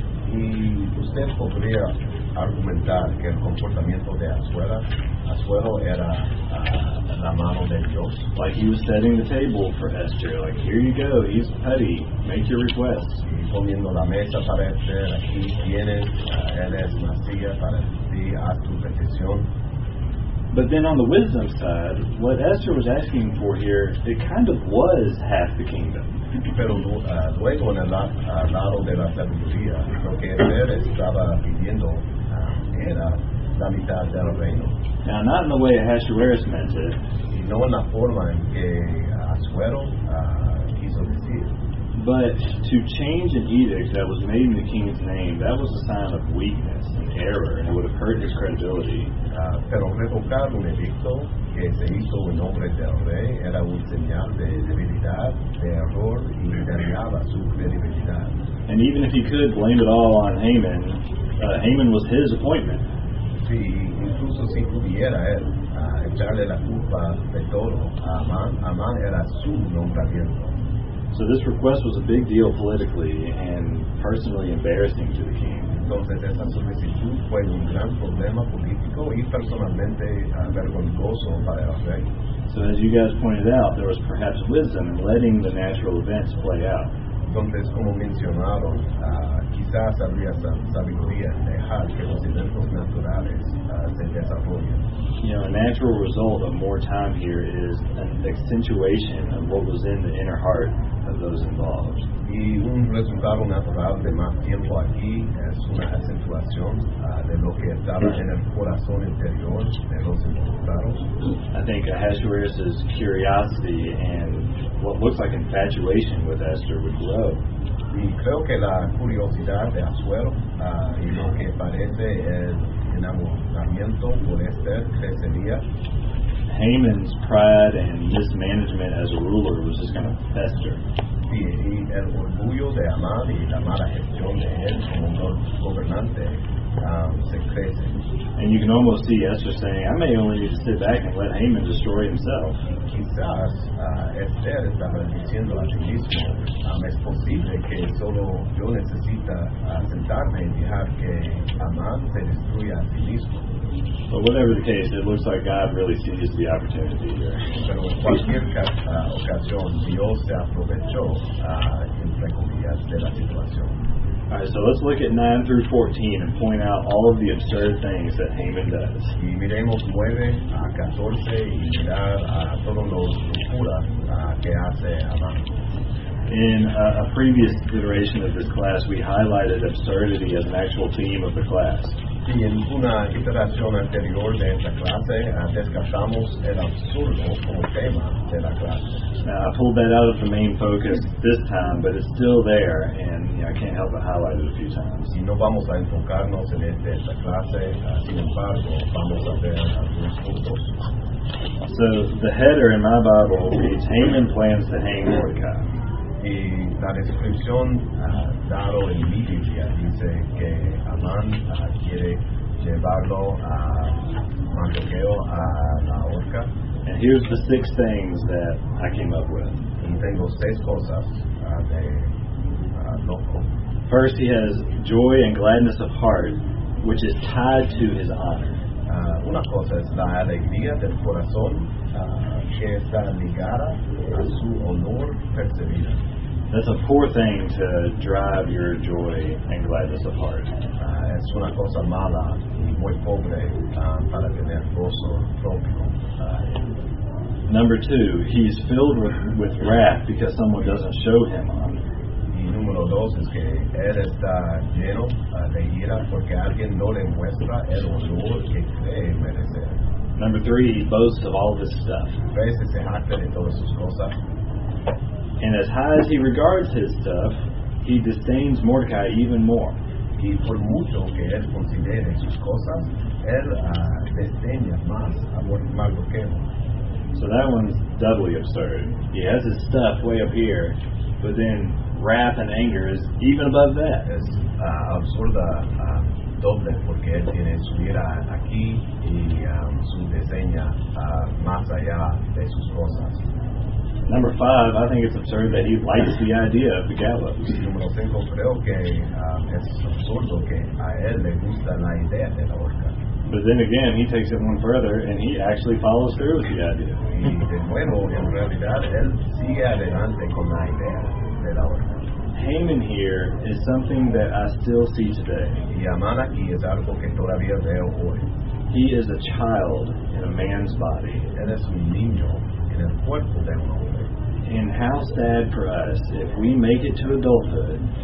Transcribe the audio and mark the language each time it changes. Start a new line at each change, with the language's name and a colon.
Spanish: Y usted podría argumentar que el comportamiento de Asuero era la mano de Dios.
English: Like he was setting the table for Esther. Like, here you go, he's petty, make your request.
Spanish: Y poniendo la mesa para Esther, aquí tienes, él es masía para ti, haz tu petición.
English: But then on the wisdom side, what Esther was asking for here, it kind of was half the kingdom.
Spanish: Pero luego en el lado de la sabiduría, lo que Esther estaba pidiendo era la mitad del reino.
English: Now, not in the way Ahasuerus meant it.
Spanish: Y no en la forma en que Asuero quiso decir.
English: But to change an edict that was made in the king's name, that was a sign of weakness and error, and it would have hurt his credibility.
Spanish: Pero revocar un edicto que se hizo en nombre del rey era un señal de debilidad, de error, y dañaba su credibilidad.
English: And even if he could blame it all on Haman, Haman was his appointment.
Spanish: Sí, incluso si pudiera él echarle la culpa de todo, Amán era su nombramiento.
English: So this request was a big deal politically and personally embarrassing to the king.
Spanish: Entonces esa solicitud fue un gran problema político y personalmente vergonzoso para el rey.
English: So as you guys pointed out, there was perhaps wisdom in letting the natural events play out.
Spanish: Entonces, como mencionaron, quizás habría sabiduría en dejar que los eventos naturales se desarrollen.
English: You know, a natural result of more time here is an accentuation of what was in the inner heart of those involved.
Spanish: Y un resultado natural de más tiempo aquí es una acentuación de lo que estaba en el corazón interior de los involucrados.
English: I think Ahasuerus' curiosity and what looks like infatuation with Esther would grow.
Spanish: Y creo que la curiosidad de Asuero y lo que parece es enamoramiento por Esther crecería.
English: Haman's pride and mismanagement as a ruler was just going to fester.
Spanish: Sí, y el orgullo de Amán y la mala gestión de él como gobernante se crece.
English: And you can almost see Esther saying, I may only need to sit back and let Haman destroy himself.
Spanish: Quizás Esther estaba diciendo a sí mismo, es posible que solo yo necesita sentarme y dejar que Amán se destruya a sí mismo.
English: But whatever the case, it looks like God really seized the opportunity here.
Spanish: Pero en cualquier ocasión, Dios se aprovechó, entre comillas, de la situación.
English: All right, so let's look at 9 through 14 and point out all of the absurd things that Haman does.
Spanish: Y miremos 9 a 14 y mirar a todos los locuras que hace Amán.
English: In a previous iteration of this class, we highlighted absurdity as an actual theme of the class.
Spanish: Y en una iteración anterior de esta clase, descartamos el absurdo como tema de la clase.
English: Now, I pulled that out of the main focus this time, but it's still there, and you know, I can't help but highlight it a few times.
Spanish: Y no vamos a enfocarnos en esta clase, sin embargo, vamos a ver algunos puntos.
English: So, the header in my Bible reads, Haman plans to hang Mordecai.
Spanish: Y la descripción dado en mi Biblia dice que Amán quiere llevarlo a Mordecai a la horca.
English: And here's the six things that I came up with.
Spanish: Y tengo seis cosas de loco.
English: First, he has joy and gladness of heart, which is tied to his honor.
Spanish: Una cosa es la alegría del corazón que está ligada a su honor percibido.
English: That's a poor thing to drive your joy and gladness apart.
Spanish: Es una cosa mala y muy pobre para tener gozo propio.
English: Number two, he's filled with wrath because someone doesn't show him honor.
Spanish: Número dos es que él está lleno de ira porque alguien no le muestra el honor que cree merecer.
English: Number three, he boasts of all this stuff.
Spanish: Tres, se jacta de todas sus cosas.
English: And as high as he regards his stuff, he disdains Mordecai even more.
Spanish: Y por mucho que él considere sus cosas, él desdeña más a Mordecai.
English: So that one's doubly absurd. He has his stuff way up here, but then wrath and anger is even above that.
Spanish: Es absurda doble porque él tiene su ira aquí y su desdeña más allá de sus cosas.
English: Number five, I think it's absurd that he likes the idea of the gallows.
Spanish: Número cinco, creo que es absurdo que a él le gusta la idea de la horca.
English: But then again, he takes it one further and he actually follows through with the idea.
Spanish: De nuevo, en realidad, él sigue adelante con la idea de la horca.
English: Haman here is something that I still see today.
Spanish: Y Amán aquí es algo que todavía veo hoy.
English: He is a child in a man's body.
Spanish: Él es un niño en el cuerpo de un hombre.
English: And how sad for us if we make it to adulthood.